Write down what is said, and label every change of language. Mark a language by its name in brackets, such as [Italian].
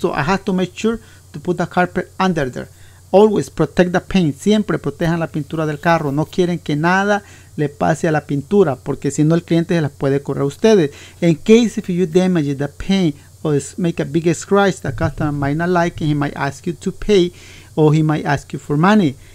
[English] So I have to make sure to put the carpet under there. Always protect the paint. [Spanish] Siempre protejan la pintura del carro. No quieren que nada le pase a la pintura, porque si no el cliente se la puede correr a ustedes. [English] In case if you damage the paint or make a big scratch, the customer might not like it. He might ask you to pay or he might ask you for money.